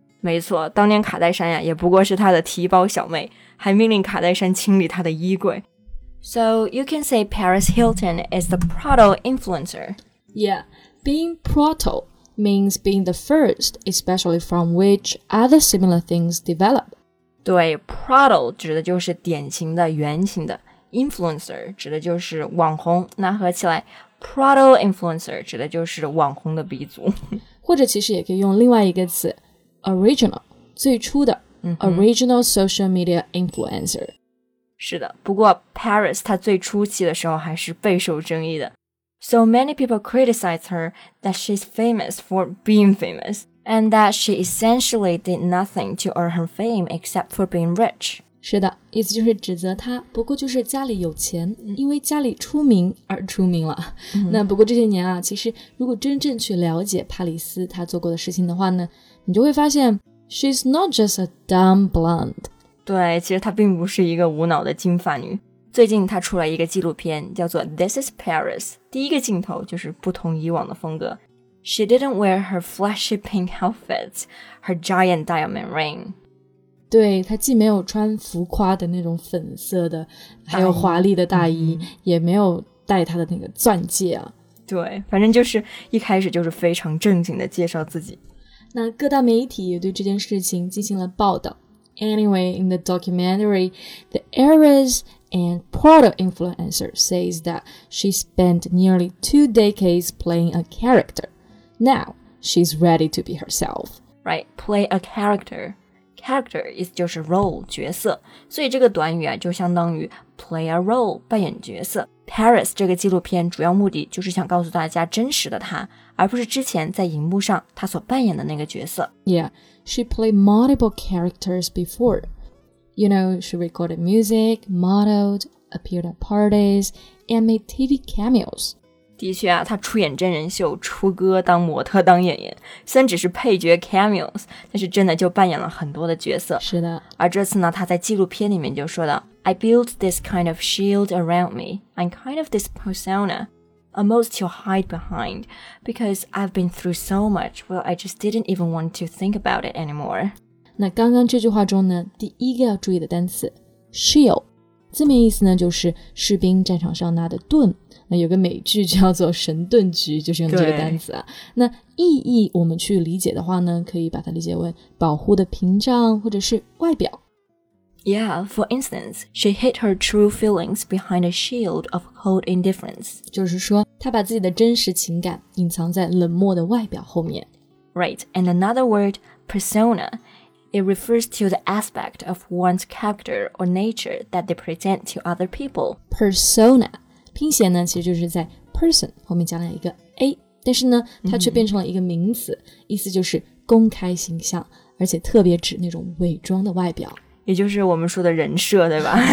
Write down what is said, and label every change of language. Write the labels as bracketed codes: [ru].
[zh] 没错，当年卡戴珊呀，也不过是她的提包小妹，还命令卡戴珊清理她的衣柜。 [en] So you can say Paris Hilton is the proto influencer. Yeah, being proto means being the first, especially from which other similar things develop. [zh] 对 ，proto 指的就是典型的、原型的。 Influencer 指的就是网红，那合起来 Proto influencer 指的就是网红的鼻祖，或者其实也可以用另外一个词 Original 最初的、 [en] Original social media influencer。 [zh] 是的，不过 Paris 她最初期的时候还是备受争议的。 [en] So many people criticize her that she's famous for being famous and that she essentially did nothing to earn her fame except for being rich。 [zh] 是的，意思就是指责他不过就是家里有钱，因为家里出名而出名了。那不过这些年啊，其实如果真正去了解帕里斯他做过的事情的话呢，你就会发现 [en] She's not just a dumb blonde. [zh] 对，其实她并不是一个无脑的金发女。最近她出了一个纪录片叫做 This is Paris. 第一个镜头就是不同以往的风格。 [en] She didn't wear her flashy pink outfits, her giant diamond ring. [zh] 对，她既没有穿浮夸的那种粉色的还有华丽的大衣，也没有戴她的那个钻戒啊。对，反正就是一开始就是非常正经的介绍自己。那各大媒体也对这件事情进行了报道。 [en] Anyway, in the documentary, the heiress and proto influencer says that she spent nearly 2 decades playing a character. Now, she's ready to be herself. Right, play a characterCharacter [zh] 意思就是 role, 角色，所以这个短语啊就相当于 [en] play a role, [zh] 扮演角色。 Paris 这个纪录片主要目的就是想告诉大家真实的她，而不是之前在荧幕上她所扮演的那个角色。 [en] Yeah, she played multiple characters before. You know, she recorded music, modeled, appeared at parties, and made TV cameos. [zh] 的确啊，他出演真人秀，出歌，当模特，当演员，虽然只是配角 cameos， 但是真的就扮演了很多的角色。是的。而这次呢，他在纪录片里面就说到 [en] I built this kind of shield around me. I'm kind of this persona. A mask to hide behind. Because I've been through so much, well, I just didn't even want to think about it anymore. [zh] 那刚刚这句话中呢，第一个要注意的单词 shield， 字面意思呢就是士兵战场上拿的盾。那有个美剧叫做神盾局，就是用这个单词啊。那意义我们去理解的话呢，可以把它理解为保护的屏障或者是外表。 [en] Yeah, for instance, she hid her true feelings behind a shield of cold indifference. [zh] 就是说她把自己的真实情感隐藏在冷漠的外表后面。 [en] Right, and another word, persona, it refers to the aspect of one's character or nature that they present to other people. [zh] Persona, 拼写呢其实就是在 person 后面加了一个 a， 但是呢它却变成了一个名词，意思就是公开形象，而且特别指那种伪装的外表。也就是我们说的人设，对吧？